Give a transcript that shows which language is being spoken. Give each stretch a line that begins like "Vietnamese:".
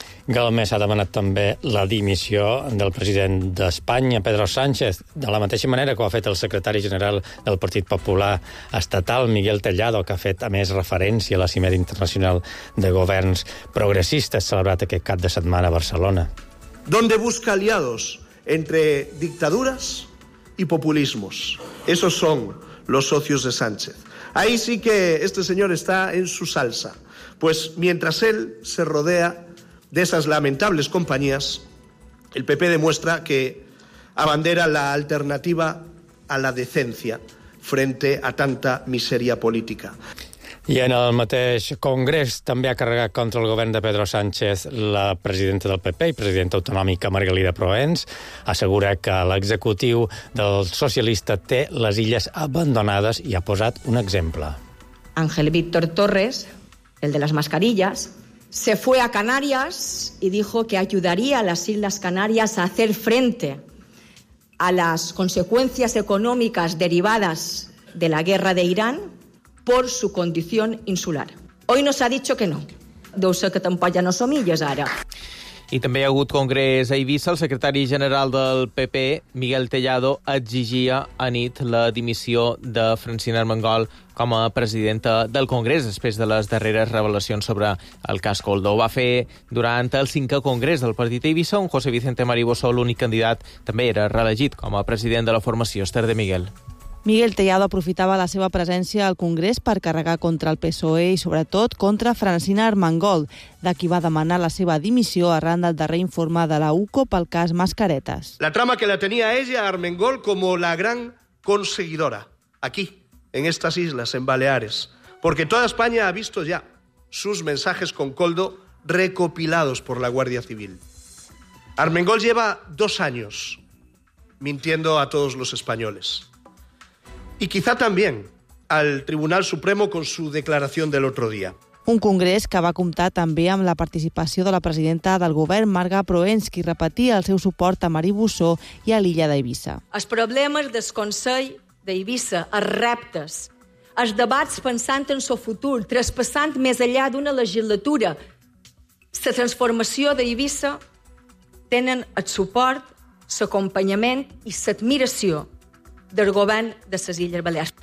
Catalan: Galmés ha demanat també la dimissió del president d'Espanya, Pedro Sánchez, de la mateixa manera que ho ha fet el secretari general del Partit Popular Estatal, Miguel Tellado, que ha fet, a més, referència a la cimera internacional de governs progressistes celebrat aquest cap de setmana a Barcelona.
Spanish: ¿Dónde busca aliados entre dictaduras y populismos? Esos son los socios de Sánchez. Ahí sí que este señor está en su salsa, pues mientras él se rodea de esas lamentables compañías, el PP demuestra que abandera la alternativa a la decencia frente a tanta miseria política.
Catalan: I en el mateix congrés també ha carregat contra el govern de Pedro Sánchez la presidenta del PP i presidenta autonòmica Margalida Proens. Assegura que l'executiu del socialista té les illes abandonades i ha posat un exemple.
Spanish: Ángel Víctor Torres, el de las mascarillas, se fue a Canarias y dijo que ayudaría a las Islas Canarias a hacer frente a las consecuencias económicas derivadas de la guerra de Irán por su condición insular. Hoy nos ha dicho que no.
Catalan: Deu ser que tampoc ja no som illes ara. I també hi ha hagut congrés a Eivissa. El secretari general del PP, Miguel Tellado, exigia a nit la dimissió de Francina Armengol com a presidenta del congrés després de les darreres revelacions sobre el cas Koldo. Ho va fer durant el cinquè congrés del partit Eivissa, on José Vicente Mariboso, l'únic candidat, també era reelegit com a president de la formació. Esther de Miguel. Miguel Tellado aprofitava la seva presència al Congrés per carregar contra el PSOE i, sobretot, contra Francina Armengol, de qui va demanar la seva dimissió arran del darrer informe de la UCO pel cas Mascaretas.
Spanish: La trama que la tenia ella, Armengol, como la gran conseguidora, aquí, en estas islas, en Baleares. Porque toda España ha visto ya sus mensajes con Koldo recopilados por la Guardia Civil. Armengol lleva 2 años mintiendo a todos los españoles. Y quizá también al Tribunal Supremo con su declaración del otro día.
Catalan: Un congrés que va comptar també amb la participació de la presidenta del govern, Marga Proens, qui repetia el seu suport a Mariboso i a l'illa d'Eivissa. Els problemes del Consell d'Eivissa, els reptes, els debats pensant en el seu futur, traspassant més enllà d'una legislatura, la transformació d'Eivissa, tenen el suport, l'acompanyament i l'admiració del govern de les Illes Balears.